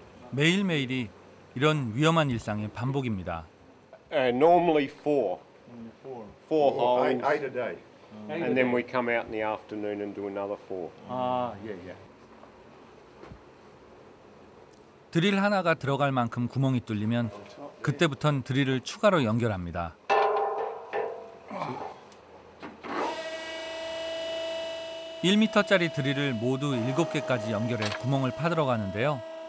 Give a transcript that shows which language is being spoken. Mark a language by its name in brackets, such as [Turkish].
[Korean] 매일매일이 이런 위험한 일상의 반복입니다. [English] Normally four holes, eight a day, and then we come out in the afternoon and do another four. [Korean] 아, 예, 예. 드릴 하나가 들어갈 만큼 구멍이 뚫리면 그때부턴 드릴을 추가로 연결합니다. 1m짜리 드릴을 모두 7개까지 연결해 구멍을 파들어가는데요.